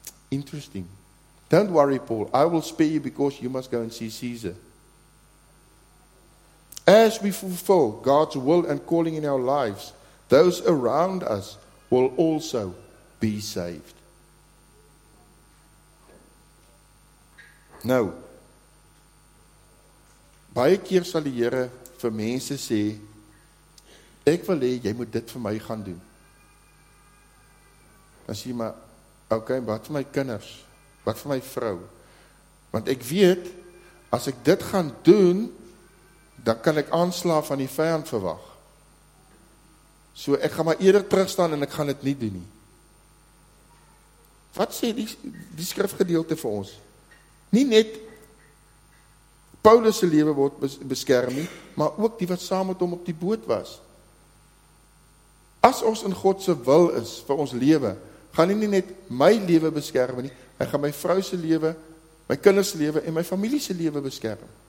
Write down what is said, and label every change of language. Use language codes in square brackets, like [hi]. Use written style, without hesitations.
[en] Interesting. Don't worry, Paul. I will spare you because you must go and see Caesar. As we fulfill God's will and calling in our lives, those around us will also be saved. [af] Nou, baie keer sal die Here vir mense sê, ek wil hê, jy moet dit vir my gaan doen. Dan sê jy maar, okay, wat vir my kinders? Wat vir my vrou? Want ek weet, as ek dit gaan doen, dan kan ek aanslaaf van die vijand verwag. So ek gaan maar eerder terugstaan en ek gaan dit nie doen nie. Wat sê die skrifgedeelte vir ons? Nie net Paulus se lewe word beskerm nie, maar ook die wat saam met hom op die boot was. As ons in God se wil is vir ons lewe, gaan hy nie net my lewe beskerm nie, hy gaan my vrou se lewe, my kinders se lewe en my familie se lewe beskerm.